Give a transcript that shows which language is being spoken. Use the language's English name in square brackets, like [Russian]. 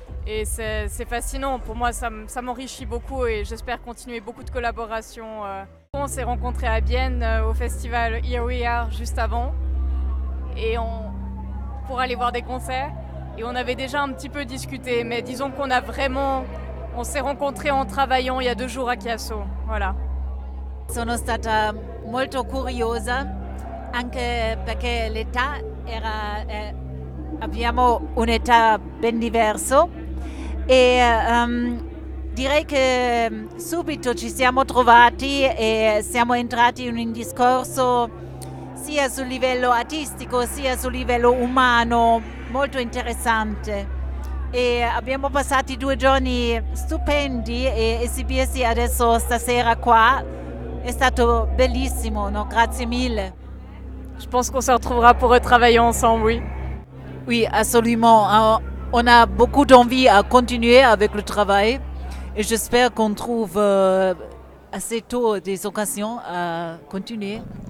[French] Et c'est fascinant, pour moi ça m'enrichit beaucoup et j'espère continuer beaucoup de collaborations. On s'est rencontrés à Bienne au festival Here We Are juste avant et pour aller voir des concerts et on avait déjà un petit peu discuté, mais disons qu'on a vraiment, on s'est rencontrés en travaillant il y a 2 jours à Chiasso, voilà. [Italian] Sono stata molto curiosa anche perché l'età era abbiamo un età ben diverso. E direi che subito ci siamo trovati e siamo entrati in un discorso sia sul livello artistico sia sul livello umano molto interessante. E abbiamo passato 2 giorni stupendi e esibirsi adesso stasera qua è stato bellissimo, no? Grazie mille. [French] Je pense qu'on se retrouvera pour retravailler ensemble, oui. Oui, absolument. On a beaucoup d'envie à continuer avec le travail et j'espère qu'on trouve assez tôt des occasions à continuer.